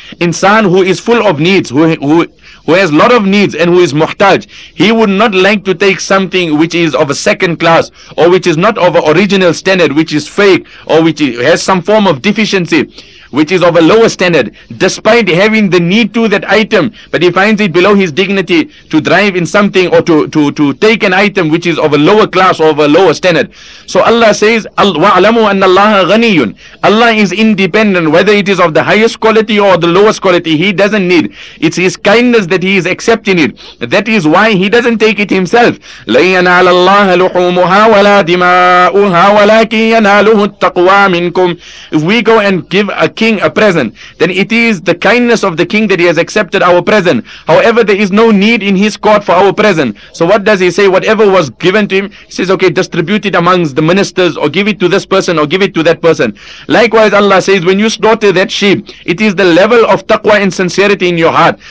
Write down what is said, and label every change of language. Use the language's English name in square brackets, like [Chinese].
[English] Insan who is full of needs, who has lot of needs and who is muhtaj, he would not like to take something which is of a second class or which is not of an original standard, which is fake or which has some form of deficiency, which is of a lower standard, despite having the need to that item, but he finds it below his dignity to drive in something or to take an item which is of a lower class or of a lower standard. So Allah says, [Arabic] وَعْلَمُوا أَنَّ اللَّهَ غَنِيٌّ. [English] Allah is independent, whether it is of the highest quality or the lowest quality, he doesn't need. It's his kindness that he is accepting it. That is why he doesn't take it himself. [Arabic] لَيَنَالَ اللَّهَ لُحُومُهَا وَلَا دِمَاؤُهَا وَلَكِنْ يَنَالُهُ التَّقْوَى مِنْكُمْ. [English] If we go and give a king a present, then it is the kindness of the king that he has accepted our present. However, there is no need in his court for our present. So what does he say? Whatever was given to him, he says, okay, distribute it amongst the ministers, or give it to this person, or give it to that person. Likewise, Allah says, when you slaughter that sheep, it is the level of taqwa and sincerity in your heart.